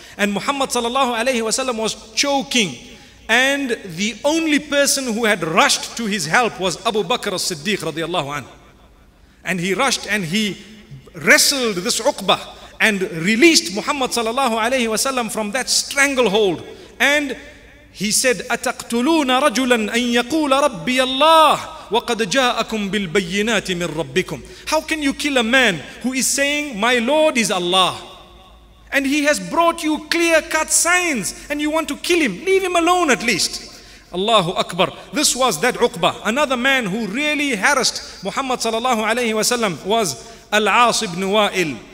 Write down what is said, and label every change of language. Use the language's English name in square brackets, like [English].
[English] And Muhammad sallallahu alayhi wa sallam was choking. And the only person who had rushed to his help was Abu Bakr as-Siddiq radiallahu anhu. And he rushed and he wrestled this Uqbah and released Muhammad sallallahu alayhi wa sallam from that stranglehold. And he said, [Arabic] أَتَقْتُلُونَ رَجُلًا أَن يَقُولَ رَبِّيَ اللَّهِ وَقَدْ جَاءَكُمْ بِالْبَيِّنَاتِ مِنْ رَبِّكُمْ. [English] How can you kill a man who is saying, my Lord is Allah. And he has brought you clear-cut signs and you want to kill him. Leave him alone at least. Allahu Akbar. This was that Uqbah. Another man who really harassed Muhammad sallallahu alayhi wa sallam was Al-As ibn Wa'il.